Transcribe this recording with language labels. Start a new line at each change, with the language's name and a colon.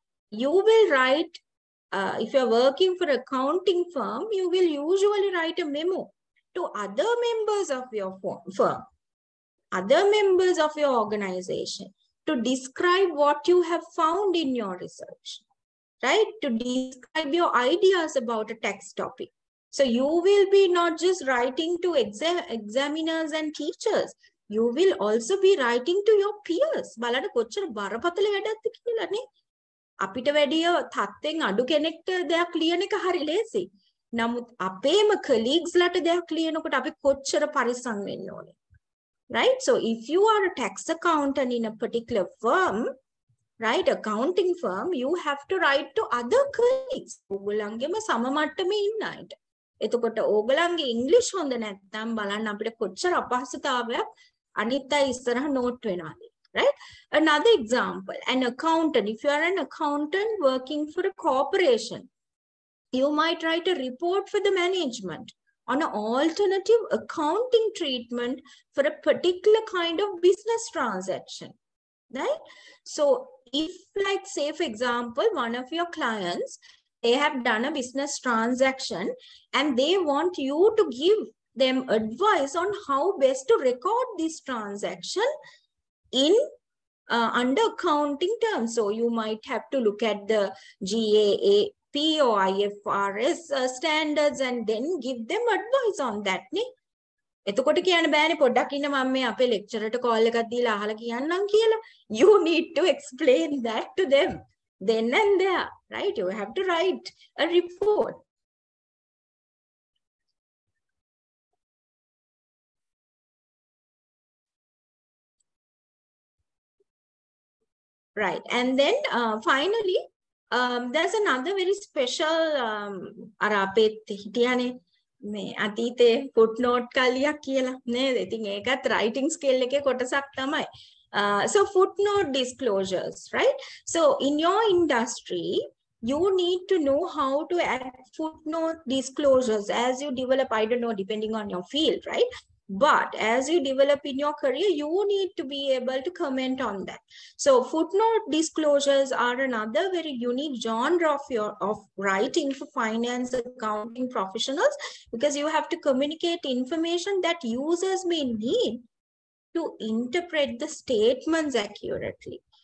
English: You will write, if you are working for an accounting firm, you will usually write a memo to other members of your firm, other members of your organization to describe what you have found in your research. Right, to describe your ideas about a tax topic. So you will be not just writing to examiners and teachers, you will also be writing to your peers.
Sinhala: බලන්න කොච්චර බරපතල වැඩක්ද කියලා නේ. අපිට වැඩිය තත්ත්වෙන් අඩු කෙනෙක්ට දෙයක් ලියන එක හරි ලේසි. නමුත් අපේම colleagues දෙයක් ලියනකොට අපි කොච්චර පරිස්සම් වෙන්න ඕනේ.
English: Right, so if you are a tax accountant in a particular firm, right, accounting firm, you have to write to other colleagues.
Sinhala: ඕගලංගෙම සම මට්ටමේ ඉන්න අයට. එතකොට ඕගලංගෙ ඉංග්‍රීසි හොඳ නැත්නම් බලන්න අපිට කොච්චර අපහසුතාවයක් අනිත් අය ඉස්සරහ නෝට් වෙනවාද.
English: Right? Another example, an accountant. If you are an accountant working for a corporation, you might write a report for the management on an alternative accounting treatment for a particular kind of business transaction. Right? So if, like, say for example, one of your clients, they have done a business transaction and they want you to give them advice on how best to record this transaction in under accounting terms. So you might have to look at the GAAP or IFRS standards and then give them advice on that.
Sinhala: එතකොට කියන්න බෑනේ පොඩ්ඩක් ඉන්න මම මේ අපේ ලෙක්චරට call එකක් දීලා අහලා කියන්නම් කියලා.
English: You need to explain that to them then and there, right? You have to write a report. Right. And then finally, there's another very special
Sinhala: අර අපේ හිටියානේ මේ අතීතේ ෆුට් නෝට් කල්ලියක් කියලා නේද? ඉතින් ඒකත් රයිටින් ස්කිල් එකේ කොටසක් තමයි.
English: So footnote disclosures, right? So in your industry, you need to know how to add footnote disclosures as you develop, I don't know, depending on your field, right? But as you develop in your career, you need to be able to comment on that. So footnote disclosures are another very unique genre of writing for finance accounting professionals, because you have to communicate information that users may need to interpret the statements accurately.